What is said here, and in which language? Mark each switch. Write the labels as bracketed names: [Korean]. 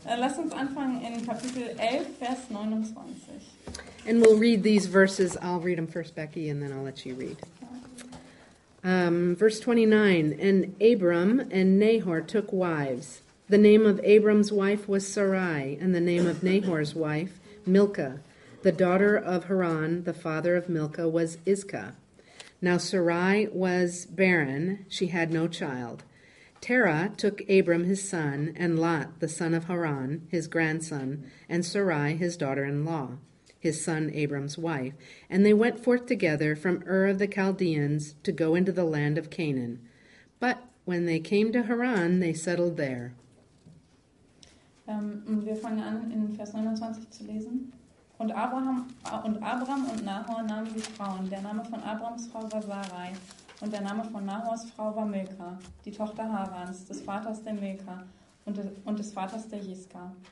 [German] Lass uns anfangen in Kapitel 11, Vers 29. [English] And we'll read these verses. I'll read them first, Becky, and then I'll let you read. Verse 29, and Abram and Nahor took wives. The name of Abram's wife was Sarai, and the name of Nahor's wife, Milcah. The daughter of Haran, the father of Milcah, was Iscah. Now Sarai was barren, she had no child. Terah took Abram his son, and Lot the son of Haran, his grandson, and Sarai his daughter-in-law, his son Abram's wife, and they went forth together from Ur of the Chaldeans to go into the land of Canaan. But when they came to Haran, they settled there. [German] Wir fangen an, in Vers 29 zu lesen. Und Abram und Nahor nahmen die Frauen. Der Name von Abrams Frau war Sarai, und der Name von Nahors Frau war Milka, die Tochter Harans, des Vaters der Milka und des Vaters der Jiska.